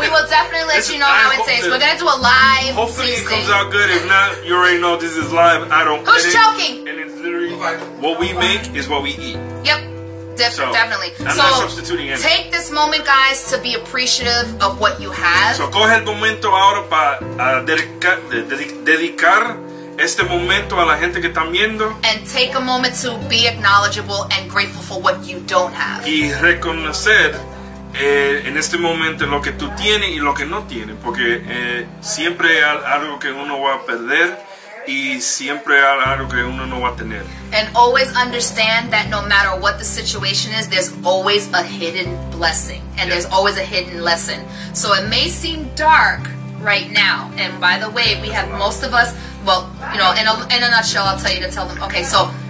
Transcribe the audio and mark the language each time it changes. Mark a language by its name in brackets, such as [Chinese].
[English] We will definitely let you know how it tastes. We're going to do a live tasting. Hopefully it comes out good. If not, you already know this is live. I don't care. Who's choking? And it's literally what we make is what we eat. Yep. Definitely. I'm not substituting anything. Take this moment, guys, to be appreciative of what you have. [Spanish] So, coge el momento ahora para dedicar este momento a la gente que están viendo. [English] And take a moment to be acknowledgeable and grateful for what you don't have. [Spanish] Y reconocer en este momento lo que tú tienes y lo que no tienes. Porque siempre hay algo que uno va a perder y siempre hay algo que uno no va a tener. [English] And always understand that no matter what the situation is, there's always a hidden blessing. And yeah, there's always a hidden lesson. So it may seem dark right now. And by the way, we have most of us... Well, you know, in a nutshell, I'll tell you to tell them. Okay, so.